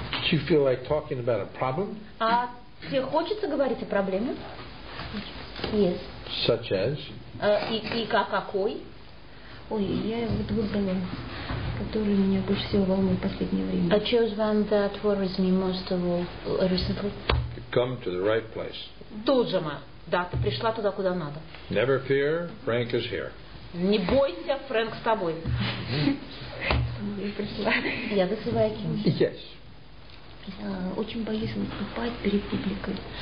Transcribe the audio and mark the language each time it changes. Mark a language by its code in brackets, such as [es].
[en] Do you feel like talking about a problem? [ru] А тебе хочется говорить о проблеме? [en] Yes. Such as? [ru] И какой? Ой, я вот выбрала, который меня больше всего волнует в последнее время. [en] I chose one that worries me most of all recently. You come to the right place. [ru] Тут же мы. Да, ты пришла туда, куда надо. [en] Never fear, Frank is here. [ru] Не бойся, Фрэнк с тобой. Я пришла. Я вызываю Ким. [en] Yes. [ru] Очень боюсь выступать перед публикой.